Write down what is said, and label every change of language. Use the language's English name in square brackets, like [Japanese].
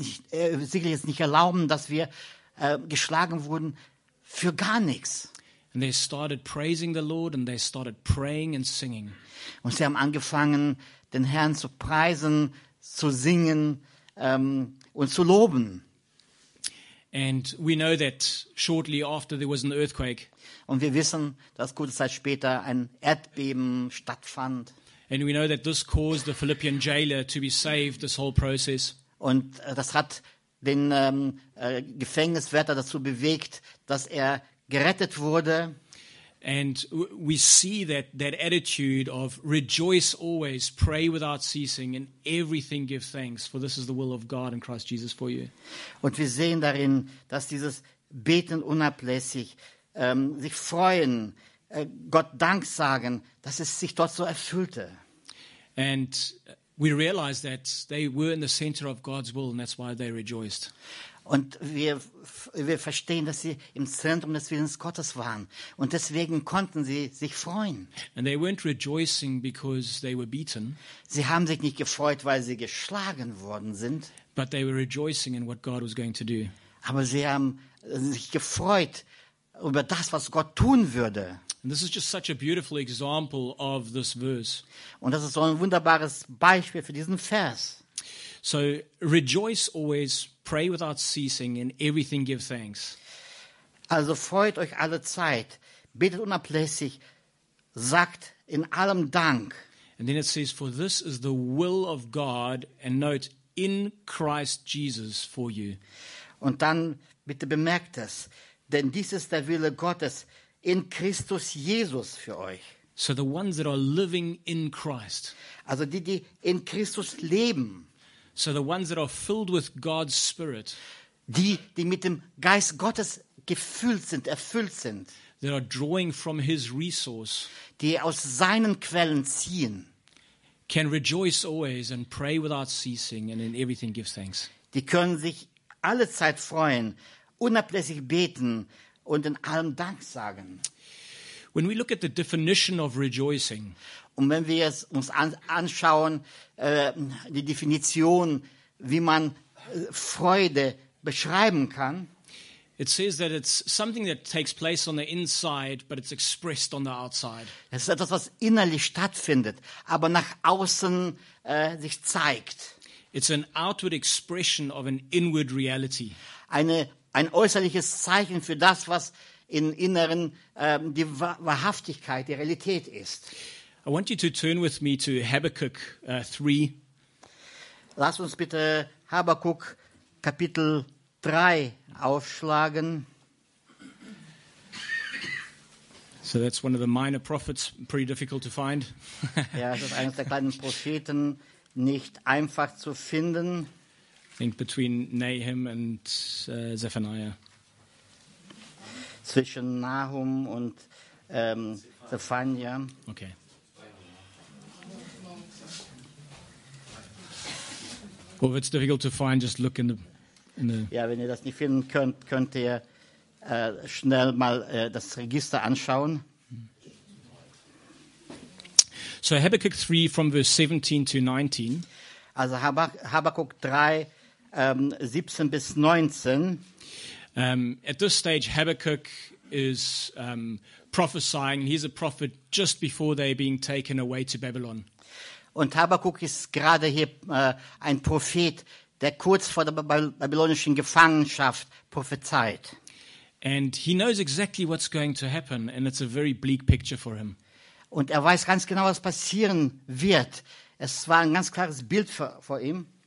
[German] Er wird sicherlich jetzt nicht erlauben, dass wir geschlagen wurden für gar nichts. [English] And they started praising the Lord and they started praying and singing. [German] Und sie haben angefangen, den Herrn zu preisen, zu singen und zu loben. [English] And we know that shortly after there was an earthquake. [German] Und wir wissen, dass kurze Zeit später ein Erdbeben stattfand. [English] And we know that this caused the Philippian jailer to be saved, this whole process. [German] Und das hat den Gefängniswärter dazu bewegt, dass er gerettet wurde. [English] And we see that attitude of rejoice always, pray without ceasing, and everything give thanks, for this is the will of God in Christ Jesus for you. [German] Und wir sehen darin, dass dieses Beten unablässig, sich freuen, Gott Dank sagen, dass es sich dort so erfüllte. [English] And we realize that they were in the center of God's will, and that's why they rejoiced. [German] Und wir verstehen, dass sie im Zentrum des Willens Gottes waren. Und deswegen konnten sie sich freuen. [English] And they weren't rejoicing because they were beaten. [German] Sie haben sich nicht gefreut, weil sie geschlagen worden sind. [English] But they were rejoicing in what God was going to do. [German] Aber sie haben sich gefreut über das, was Gott tun würde. [English] And this is just such a beautiful example of this verse. [German] Und das ist so ein wunderbares Beispiel für diesen Vers. [English] So rejoice always, pray without ceasing, and everything give thanks. [German] Also freut euch alle Zeit, betet unablässig, sagt in allem Dank. [English] And then it says, for this is the will of God, and note, in Christ Jesus for you. [German] Und dann bitte bemerkt es, denn dies ist der Wille Gottes in Christus Jesus für euch. [English] So the ones that are living in Christ. [German] Also die in Christus leben. [English] So the ones that are filled with God's Spirit, [German] die mit dem Geist Gottes gefüllt sind, erfüllt sind, [English] that are drawing from His resource, [German] die aus seinen Quellen ziehen, [English] can rejoice always and pray without ceasing and in everything give thanks. [German] Die können sich alle Zeit freuen, unablässig beten und in allem Dank sagen. [English] When we look at the definition of rejoicing. [German] Und wenn wir es uns anschauen, die Definition, wie man Freude beschreiben kann. [English] It says that it's something that takes place on the inside, but it's expressed on the outside. [German] Es ist etwas, was innerlich stattfindet, aber nach außen sich zeigt. [English] It's an outward expression of an inward reality. [German] Ein äußerliches Zeichen für das, was im Inneren die Wahrhaftigkeit, die Realität ist. [English] I want you to turn with me to Habakkuk 3. [German] Lass uns bitte Habakkuk Kapitel 3 aufschlagen. [English] So that's one of the minor prophets, pretty difficult to find. [German] Ja, das ist eines der kleinen Propheten, nicht einfach zu finden. [English] I think between Nahum and Zephaniah. [German] Zwischen Nahum und Zephaniah. Okay. [English] Well, if it's difficult to find, just look in the. [German] Ja, wenn ihr das nicht finden könnt ihr schnell mal das Register anschauen. [English] So Habakkuk 3 from verse 17 to 19. [German] Also Habakkuk 3, 17 bis 19. [English] At this stage Habakkuk is prophesying. He's a prophet just before they're being taken away to Babylon. [German] Und Habakkuk ist gerade hier ein Prophet, der kurz vor der babylonischen Gefangenschaft prophezeit. [English] And he knows exactly what's going to happen, and it's a very bleak picture for him. [German] Und er weiß ganz genau, was passieren wird. Es war ein ganz klares Bild vor ihm.